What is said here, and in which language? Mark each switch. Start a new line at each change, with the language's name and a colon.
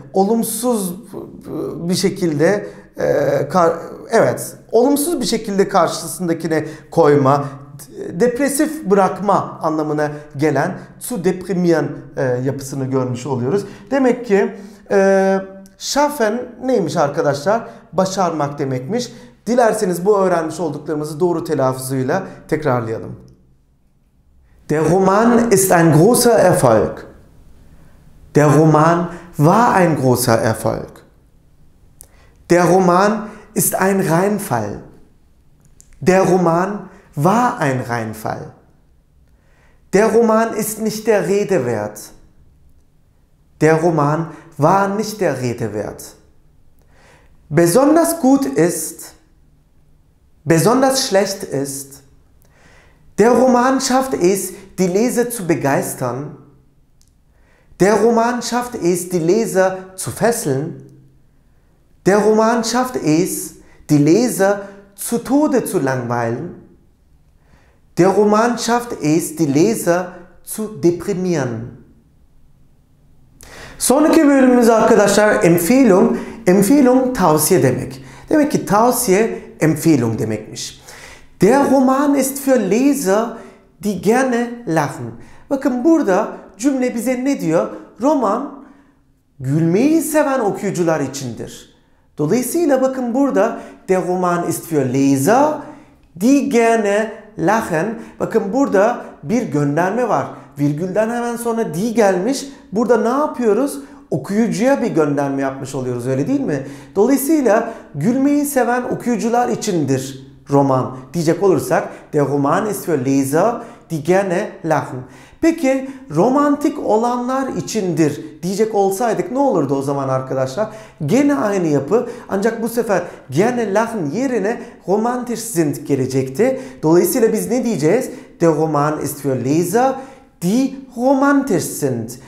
Turkish: Olumsuz bir şekilde evet, olumsuz bir şekilde karşısındakine koyma, depresif bırakma anlamına gelen
German: zu deprimieren
Turkish: yapısını görmüş oluyoruz. Demek ki schaffen neymiş arkadaşlar? Başarmak demekmiş. Dilerseniz bu öğrenmiş olduklarımızı doğru telaffuzuyla tekrarlayalım.
German: Der Roman ist ein großer Erfolg. Der Roman war ein großer Erfolg. Der Roman ist ein Reinfall. Der Roman war ein Reinfall. Der Roman ist nicht der Rede wert. Der Roman war nicht der Rede wert. Besonders gut ist, besonders schlecht ist, Der Roman schafft es, die Leser zu begeistern. Der Roman schafft es, die Leser zu fesseln. Der Roman schafft es, die Leser zu Tode zu langweilen. Der Roman schafft es, die Leser zu deprimieren.
Turkish: Sonraki bölümümüz arkadaşlar empfehlung. Empfehlung tavsiye demek. Demek ki tavsiye empfehlung demekmiş.
German: Der Roman ist für Leser, die gerne lachen.
Turkish: Bakın burada cümle bize ne diyor? Roman gülmeyi seven okuyucular içindir. Dolayısıyla bakın burada
German: der Roman ist für Leser, die gerne lachen.
Turkish: Bakın burada bir gönderme var. Virgülden hemen sonra die gelmiş. Burada ne yapıyoruz? Okuyucuya bir gönderme yapmış oluyoruz, öyle değil mi? Dolayısıyla gülmeyi seven okuyucular içindir roman diyecek olursak
German: der Roman ist für Leser, die gerne lachen.
Turkish: Peki romantik olanlar içindir diyecek olsaydık ne olurdu o zaman arkadaşlar? Gene aynı yapı, ancak bu sefer
German: gerne lachen
Turkish: yerine
German: romantisch sind
Turkish: gelecekti. Dolayısıyla biz ne diyeceğiz?
German: Der Roman ist für Leser, die romantisch sind.